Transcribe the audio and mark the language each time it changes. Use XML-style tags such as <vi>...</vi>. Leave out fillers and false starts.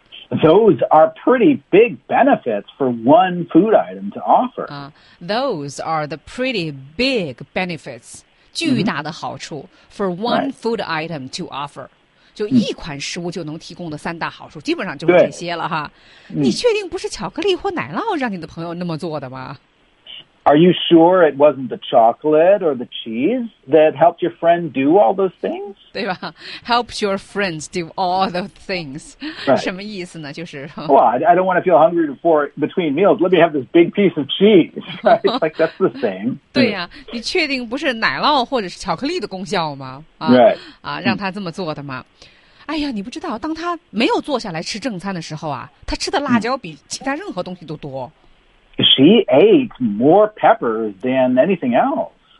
<en>Those are pretty big benefits for one food item to offer. Those are the pretty big benefits.</en> <zh>巨大的好处、 mm-hmm.</zh> <en>for one food item to offer.</en> <zh>就一款食物就能提供的三大好处、嗯、基本上就是这些了哈你确定不是巧克力或奶酪让你的朋友那么做的吗</zh> <en>Are you sure it wasn't the chocolate or the cheese that helped your friend do all those things?</en> <zh>对吧</zh> <en>Helped your friends do all those things、 right.</en> <zh>什么意思呢就是</zh> <en>Well, I don't want to feel hungry before between meals Let me have this big piece of cheese、right? Like that's the same</en> <zh>对呀、啊、你确定不是奶酪或者是巧克力的功效吗、</zh> <en>right.</en> <zh>啊，让他这么做的吗哎呀你不知道当他没有坐下来吃正餐的时候啊，他吃的辣椒比其他任何东西都多</zh> <en>She ate more peppers than anything else.</en>